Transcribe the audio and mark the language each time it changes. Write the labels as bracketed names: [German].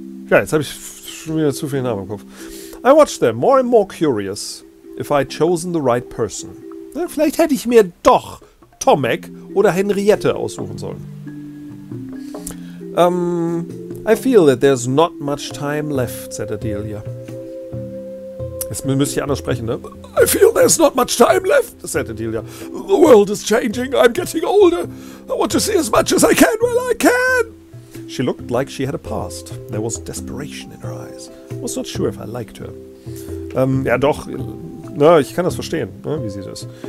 [German] Ja, jetzt habe ich schon wieder zu viel Namen im Kopf. [English] I watched them, more and more curious, if I'd chosen the right person. [German] Ja, vielleicht hätte ich mir doch Tomek oder Henriette aussuchen sollen. [English] I feel that there's not much time left, said Adelia. [German] Jetzt müsste ich anders sprechen, ne? [English] I feel there's not much time left, said Adelia. The world is changing, I'm getting older. I want to see as much as I can while I can. She looked like she had a past. There was desperation in her eyes. I was not sure if I liked her. [German] Ja doch, na, ich kann das verstehen, ne, wie sie das.